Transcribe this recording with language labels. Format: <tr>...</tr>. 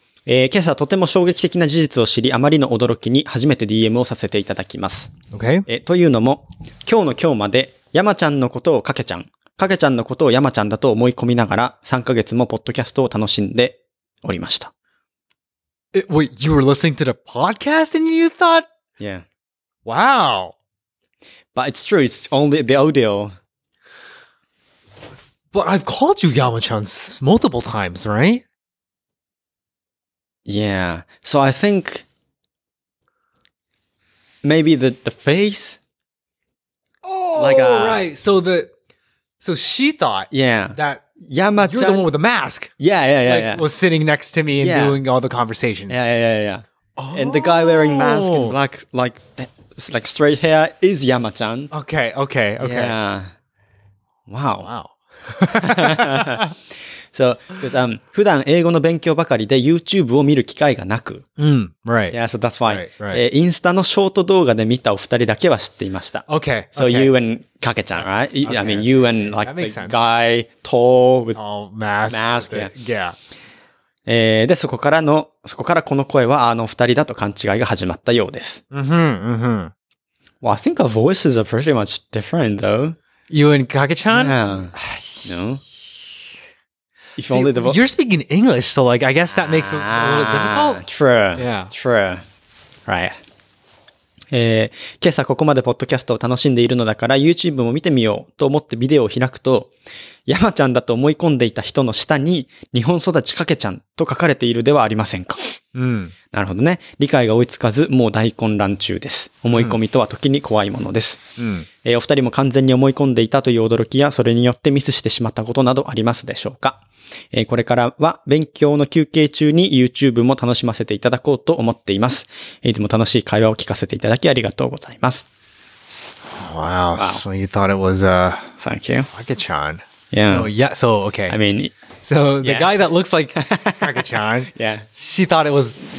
<ja>今朝とても衝撃的な事実を知り、あまりの驚きに初めて DM をさせていただきます。</ja> <en>Okay.</en> <ja>というのも、今日の今日まで、山ちゃんのことをかけちゃん、かけちゃんのことを山ちゃんだと思い込みながら、3ヶ月もポッドキャストを楽しんでおりました。</ja> <en>Wait, you were listening to the podcast and you thought? Yeah. Wow. But it's true, it's only the audio. But I've called you Yama-chan multiple times, right? Yeah. So I think maybe the face. Oh, like a, right. So she thought that Yama-chan, you're the one with the mask. Yeah. Was sitting next to me and doing all the conversations. Yeah. Oh. And the guy wearing mask and black, like straight hair is Yama-chan. Okay. Yeah. Wow. So, because,</en> <ja>普段英語の勉強ばかりで YouTube を見る機会がなく。</ja> <en>Right. Yeah, so that's fine. Right.</en> <ja>インスタのショート動画で見たお二人だけは知っていました。</ja> <en>Okay. So okay. You and Kake-chan, right? Okay. I mean, you and like the guy tall with mask. Yeah.</en> <ja>で、そこからこの声はあの二人だと勘違いが始まったようです。</ja> <en>Well, I think our voices are pretty much different though. You and Kake-chan? Yeah. No. If only the you're speaking English, so like I guess that makes it a little difficult. True. Yeah. True. Right.</en> <ja>今朝ここまでポッドキャストを楽しんでいるのだから YouTube も見てみようと思ってビデオを開くと、山ちゃんだと思い込んでいた人の下に日本育ちかけちゃんと書かれているではありませんか。なるほどね。理解が追いつかずもう大混乱中です。思い込みとは時に怖いものです。お二人も完全に思い込んでいたという驚きやそれによってミスしてしまったことなどありますでしょうか。これからは勉強の休憩中に YouTube も楽しませていただこうと思っています。いつも楽しい会話を聞かせていただきありがとうございます。</ja> <en>Wow, so you thought it was Thank you. Kake-chan. Yeah. No, yeah, so okay. I mean, so the guy that looks like Kake-chan, she thought it was</en>